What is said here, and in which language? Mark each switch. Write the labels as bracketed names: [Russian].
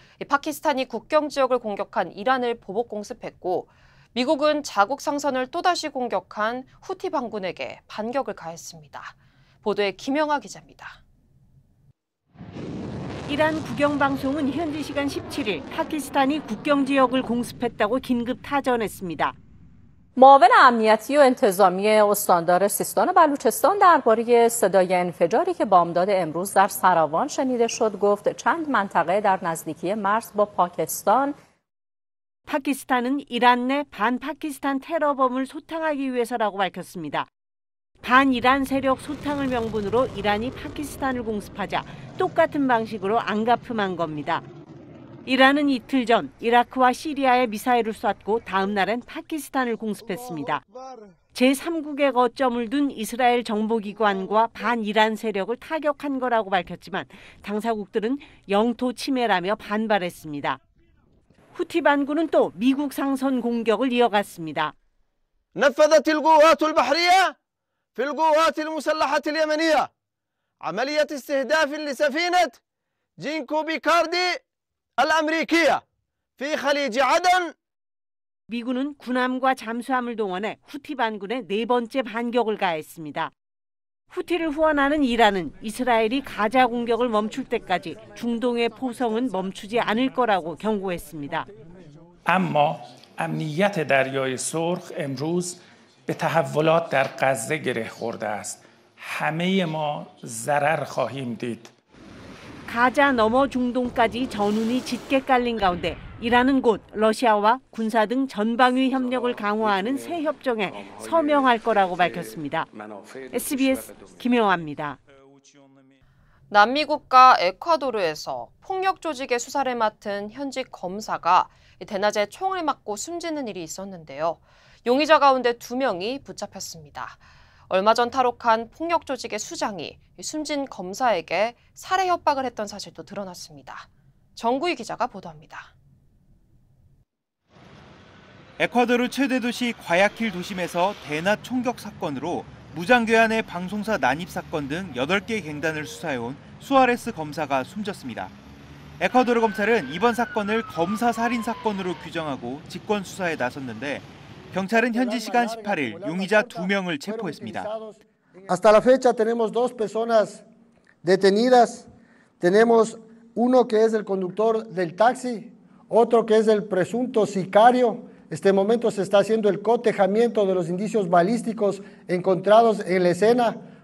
[Korean] 파키스탄이 국경 지역을 공격한 이란을 보복 공습했고 미국은 자국 상선을 또다시 공격한 후티 반군에게 반격을 가했습니다. 보도에 김영아 기자입니다. 이란 국영방송은 현지 시간 17일 파키스탄이 국경 지역을 공습했다고 긴급 타전했습니다. [Persian] معاون امنیتی و انتظامی استاندار سیستان و بلوچستان درباره صدای انفجاری که بامداد امروز در سراوان شنیده شد گفت چند منطقه در نزدیکی مرز با پاکستان [Korean] پاکستان은 이란 내 반 파키스탄 테러범을 소탕하기 위해서라고 밝혔습니다. 반 이란 세력 소탕을 명분으로 이란이 파키스탄을 공습하자 똑같은 방식으로 안갚음한 겁니다. 이란은 이틀 전 이라크와 시리아에 미사일을 쐈고 다음 날엔 파키스탄을 공습했습니다. 제3국의 거점을 둔 이스라엘 정보기관과 반이란 세력을 타격한 거라고 밝혔지만 당사국들은 영토 침해라며 반발했습니다. 후티 반군은 또 미국 상선 공격을 이어갔습니다. [Arabic] 나파다틸 구와툴 바흐리야 필 구와틸 무살라하틸 예메니야 아말리엣 이스티하다필 리사피넷 진코 비카르디 الأمريكية في خليج عدن [Korean] 미군은 군함과 잠수함을 동원해 후티 반군의 네 번째 반격을 가했습니다. 후티를 후원하는 이란은 이스라엘이 가자 공격을 멈출 때까지 중동의 포성은 멈추지 않을 거라고 경고했습니다. [Persian] اما امنیت دریای سرخ امروز به تحولات در غزه گره خورده است. همه ما ضرر خواهیم دید. [Korean] 가자 넘어 중동까지 전운이 짙게 깔린 가운데 이란은 곧 러시아와 군사 등 전방위 협력을 강화하는 새 협정에 서명할 거라고 밝혔습니다. SBS 김영아입니다. 남미 국가 에콰도르에서 폭력 조직의 수사를 맡은 현지 검사가 대낮에 총을 맞고 숨지는 일이 있었는데요. 용의자 가운데 두 명이 붙잡혔습니다. 얼마 전 탈옥한 폭력 조직의 수장이 숨진 검사에게 살해 협박을 했던 사실도 드러났습니다. 정구희 기자가 보도합니다. 에콰도르 최대 도시 과야킬 도심에서 대낮 총격 사건으로 무장괴한의 방송사 난입 사건 등 8개 갱단을 수사해온 수아레스 검사가 숨졌습니다. 에콰도르 검찰은 이번 사건을 검사 살인 사건으로 규정하고 직권 수사에 나섰는데 경찰은 현지 시간 18일 용의자 두 명을 체포했습니다. [Spanish] Hasta la fecha tenemos dos personas detenidas. Tenemos uno que es el conductor del taxi, otro que es el presunto sicario. Este momento se está haciendo el cotejamiento de los indicios balísticos encontrados en la escena.